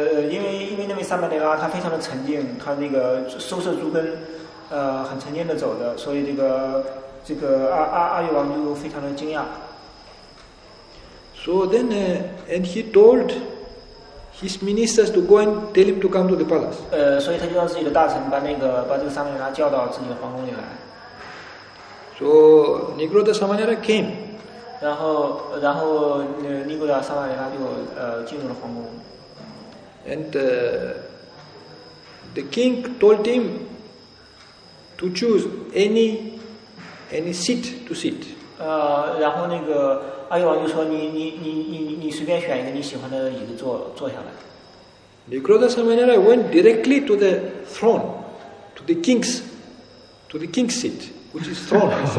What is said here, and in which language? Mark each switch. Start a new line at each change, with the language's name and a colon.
Chinese: 因为那位萨曼尼拉他非常的沉静，他那个收拾足根，很沉静的走的，所以这个阿育王就非常的惊讶。
English: So then, and he told. His ministers to go and tell him to come to the palace.
Chinese: 所以他就让自己的大臣把这个萨曼尼拉叫到自己的皇宫里来。
English: So Nigrodha Samanera came.
Chinese: 然后Nigrodha Samanera就进入了皇宫。
English: And the king told him to choose any seat to sit.
Chinese: 然后那个阿育王就说你随便选一个你喜欢的椅子坐下来。
English: Nigrodha Samanera went directly to the throne, to the king's seat, which is throne.